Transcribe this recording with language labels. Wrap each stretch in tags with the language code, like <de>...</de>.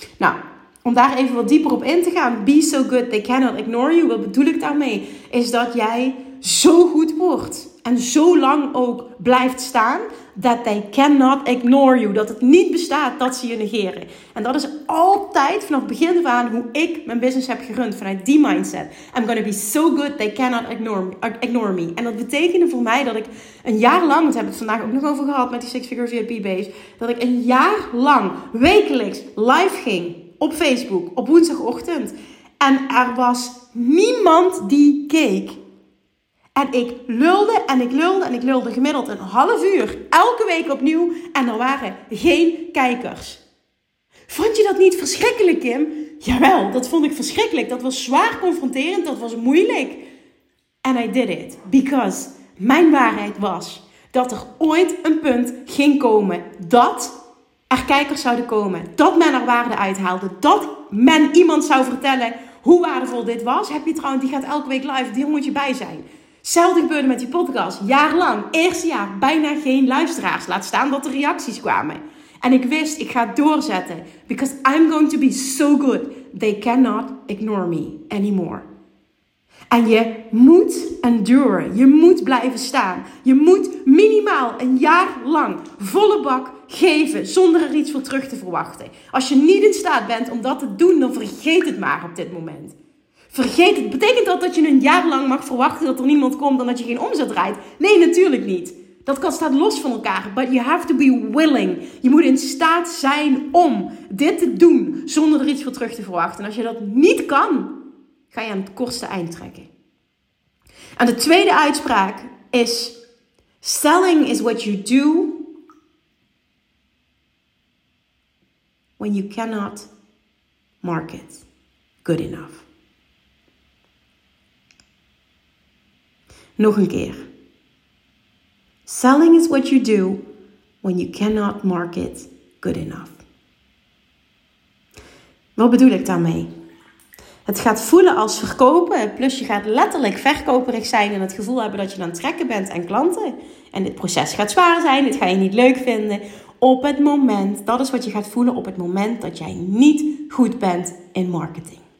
<nl>Nou, om daar even wat dieper op in te gaan,</nl> <en>be so good they cannot ignore you.</en> <nl>Wat bedoel ik daarmee? Is dat jij zo goed wordt en zo lang ook blijft staan,</nl> <en>that they cannot ignore you.</en> <nl>Dat het niet bestaat dat ze je negeren. En dat is altijd vanaf begin af aan hoe ik mijn business heb gerund vanuit die mindset.</nl> <en>I'm gonna be so good they cannot ignore me.</en> <nl>En dat betekende voor mij dat ik een jaar lang, want we hebben het vandaag ook nog over gehad met die Six Figure VIP base, dat ik een jaar lang wekelijks live ging op Facebook, op woensdagochtend. En er was niemand die keek. En ik lulde en ik lulde en ik lulde gemiddeld een half uur. Elke week opnieuw. En er waren geen kijkers. Vond je dat niet verschrikkelijk, Kim? Jawel, dat vond ik verschrikkelijk. Dat was zwaar confronterend. Dat was moeilijk.</nl> <en>And I did it. Because</en> <nl>mijn waarheid was dat er ooit een punt ging komen dat er kijkers zouden komen, dat men er waarde uithaalde, dat men iemand zou vertellen hoe waardevol dit was. Heb je trouwens, die gaat elke week live, die moet je bij zijn. Hetzelfde gebeurde met die podcast. Jaarlang, eerste jaar, bijna geen luisteraars. Laat staan dat er reacties kwamen. En ik wist, ik ga doorzetten.</nl> <en>Because I'm going to be so good. They cannot ignore me anymore.</en> <nl>En je moet enduren. Je moet blijven staan. Je moet minimaal een jaar lang volle bak geven. Zonder er iets voor terug te verwachten. Als je niet in staat bent om dat te doen, dan vergeet het maar op dit moment. Vergeet het. Betekent dat je een jaar lang mag verwachten dat er niemand komt en dat je geen omzet draait? Nee, natuurlijk niet. Dat staat los van elkaar.</nl> <en>But you have to be willing.</en> <nl>Je moet in staat zijn om dit te doen zonder er iets voor terug te verwachten. En als je dat niet kan, ga je aan het kortste eind trekken. En de tweede uitspraak is:</nl> <en>selling is what you do when you cannot market good enough.</en> <nl>Nog een keer.</nl> <en>Selling is what you do when you cannot market good enough.</en> <nl>Wat bedoel ik daarmee? Het gaat voelen als verkopen, plus je gaat letterlijk verkoperig zijn en het gevoel hebben dat je aan het trekken bent aan klanten. En dit proces gaat zwaar zijn, dit ga je niet leuk vinden. Op het moment, dat is wat je gaat voelen op het moment dat jij niet goed bent in marketing.</nl>